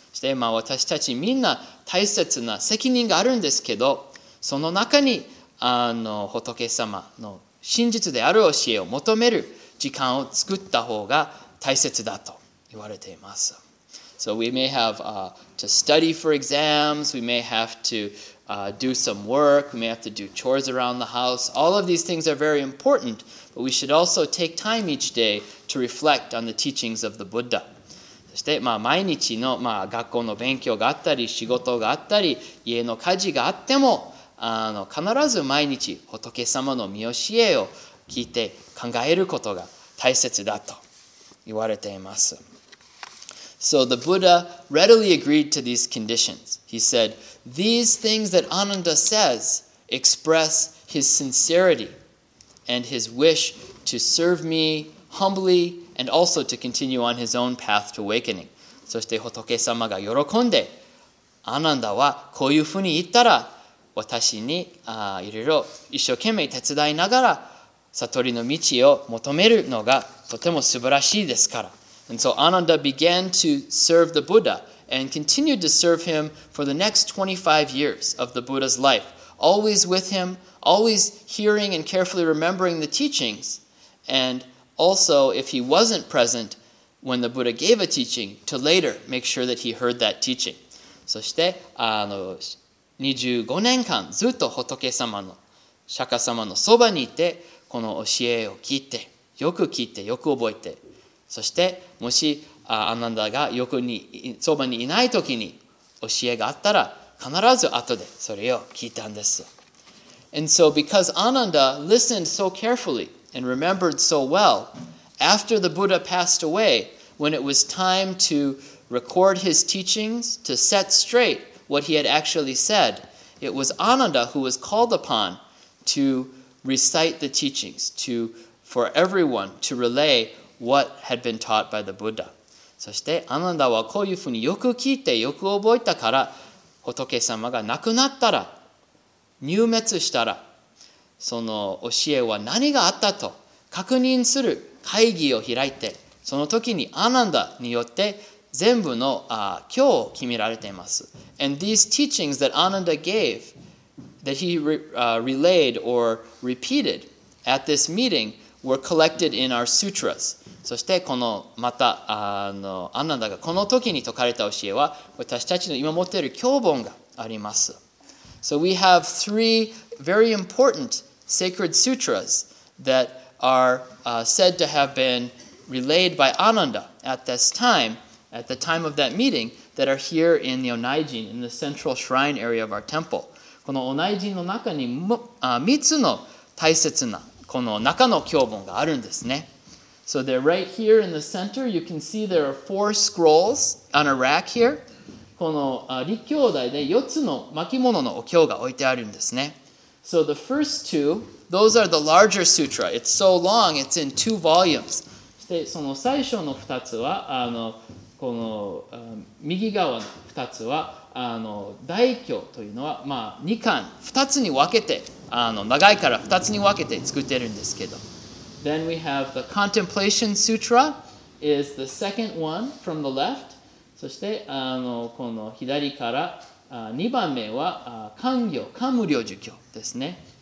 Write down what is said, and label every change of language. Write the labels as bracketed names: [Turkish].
[Japanese] 私たちみんな大切な責任があるんですけど、その中に仏様の真実である教えを求める時間を作った方が大切だと言われています。 [English] So we may have to study for exams, we may have to do some work, we may have to do chores around the house. All of these things are very important, but we should also take time each day to reflect on the teachings of the Buddha. [Japanese] そして、まあ、毎日の、まあ、学校の勉強があったり仕事があったり家の家事があっても必ず毎日仏様の御教えを聞いて考えることが大切だと言われています。 [English] So the Buddha readily agreed to these conditions. He said, these things that Ananda says express his sincerity and his wish to serve me humbly and also to continue on his own path to awakening. [Japanese] そして仏様が喜んで、アナンダはこういうふうに言ったら、私にいろいろ一生懸命手伝いながら悟りの道を求めるのがとても素晴らしいですから。 [English] And so Ananda began to serve the Buddha and continued to serve him for the next 25 years of the Buddha's life, always with him, always hearing and carefully remembering the teachings, and also if he wasn't present when the Buddha gave a teaching, to later make sure that he heard that teaching. [Japanese] そして25年間ずっと仏様の釈迦様のそばにいてこの教えを聞いてよく聞いてよく覚えてそしてもしアナンダがよくにそばにいない時に教えがあったら必ず後でそれを聞いたんです。 [English] And so because Ananda listened so carefully and remembered so well, after the Buddha passed away, when it was time to record his teachings to set straightWhat he had actually said, it was Ananda who was called upon to recite the teachings, to for everyone to relay what had been taught by the Buddha. [Japanese] そしてアナンダはこういうふうによく聞いてよく覚えたから、仏様が亡くなったら、入滅したら、その教えは何があったと確認する会議を開いて、その時にアナンダによって全部の教を決められています。 [English] And these teachings that Ananda gave, that he relayed or repeated at this meeting, were collected in our sutras. [Japanese] そしてこのまたアナンダがこの時に説かれた教えは私たちの今持っている教本があります。 [English] So we have three very important sacred sutras that are said to have been relayed by Ananda at this time, at the time of that meeting. That are here in the Onaijin, in the central shrine area of our temple. [Japanese] この Onaijin の中に3つの大切なこの中の教本があるんですね。 [English] So they're right here in the center. You can see there are four scrolls on a rack here. [Japanese] この立教台で4つの巻物のお経が置いてあるんですね。 [English] So the first two, those are the larger sutra. It's so long, it's in two volumes. [Japanese] そしてその最初の2つはこの右側の2つは大経というのは、まあ、2巻2つに分けて長いから2つに分けて作ってるんですけど。 [English] Then we have the Contemplation Sutra is the second one from the left. [Japanese] そしてこの左から2番目は勧行、勧無量寿経ですね。